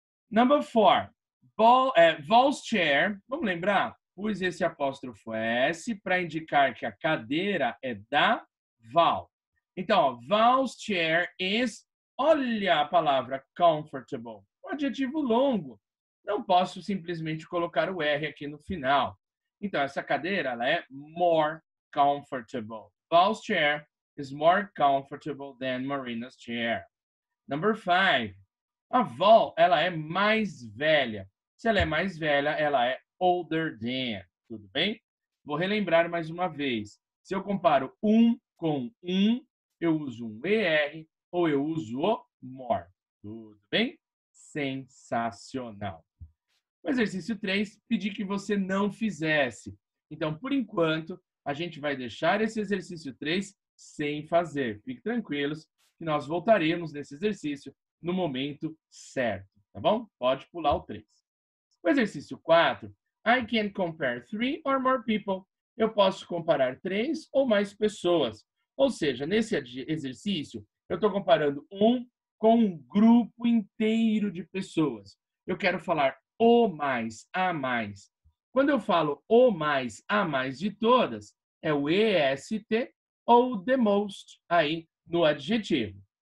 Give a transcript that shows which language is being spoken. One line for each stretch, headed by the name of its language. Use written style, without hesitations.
English: Number four, ball, Val's chair,
Portuguese: vamos lembrar, pus esse apóstrofo S para indicar que a cadeira é da Val. Então, ó,
English: Val's chair is,
Portuguese: olha a palavra, comfortable, um adjetivo longo. Não posso simplesmente colocar o R aqui no final. Então, essa cadeira, ela é
English: more comfortable. Val's chair is more comfortable than Marina's chair. Number five.
Portuguese: A Val, ela é mais velha. Se ela é mais velha, ela é
English: older than.
Portuguese: Tudo bem? Vou relembrar mais uma vez. Se eu comparo um com um, eu uso um ER ou eu uso o more. Tudo bem? Sensacional. O exercício 3, pedi que você não fizesse. Então, por enquanto, a gente vai deixar esse exercício 3 sem fazer. Fique tranquilos que nós voltaremos nesse exercício no momento certo, tá bom? Pode pular o 3. O exercício 4,
English: I can compare 3 or more people.
Portuguese: Eu posso comparar 3 ou mais pessoas. Ou seja, nesse exercício, eu estou comparando um com um grupo inteiro de pessoas. Eu quero falar o mais, a mais. Quando eu falo o mais, a mais de todas, é o EST ou the most aí no adjetivo.